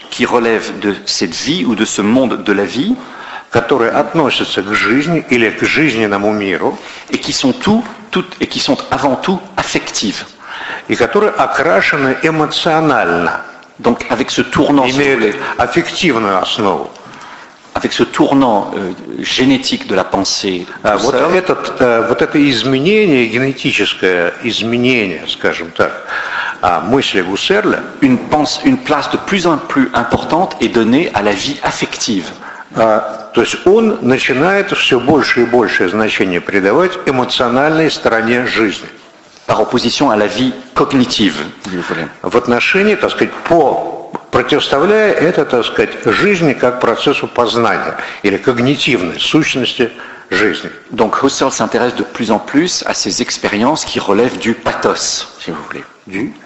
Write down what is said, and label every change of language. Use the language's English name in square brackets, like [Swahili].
[French] qui relève de cette vie ou de ce monde de la vie, [Russian] которые относятся к жизни или к жизненному миру, [French] et qui sont avant tout affectives, [Russian] и которые окрашены эмоционально. [French] Donc avec ce tournant, si vous voulez, affectivement [Russian] основу, [French] avec ce tournant génétique de la pensée, [Russian] вот это изменение генетическое изменение, скажем так, мысли Гуссерля, [French] une place de plus en plus importante est donnée à la vie affective. [Russian] То есть он начинает все больше и большее значение придавать эмоциональной стороне жизни. [French] Par opposition à la vie cognitive, si vous voulez. [Russian] В отношении, так сказать, противоставляя это, так сказать, жизни как процессу познания или когнитивной сущности жизни. [French] Donc Husserl s'intéresse de plus en plus à ces expériences qui relèvent du pathos, si vous voulez.